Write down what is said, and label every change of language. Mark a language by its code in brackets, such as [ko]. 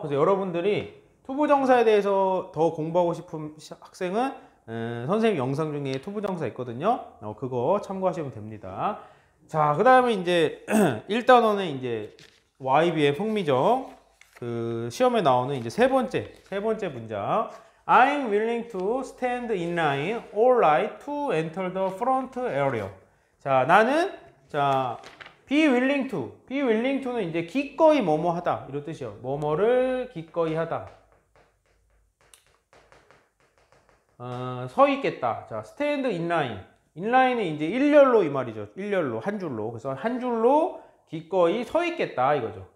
[ko] 그래서 여러분들이 투부정사에 대해서 더 공부하고 싶은 학생은 선생님 영상 중에 투부정사 있거든요. 그거 참고하시면 됩니다. 자, 그 다음에 이제 1단원의 이제 YB의 흥미정, 그 시험에 나오는 이제 세 번째 문장. [en] I'm willing to stand in line or right to enter the front area. [ko] 자, 나는 자 [en] be willing to [ko] 는 이제 기꺼이 뭐뭐 하다 이런 뜻이요. 뭐뭐를 기꺼이 하다. 서 있겠다. 자, [en] stand in line. [ko] In line은 이제 일렬로 이 말이죠. 일렬로, 한 줄로. 그래서 한 줄로 기꺼이 서 있겠다 이거죠.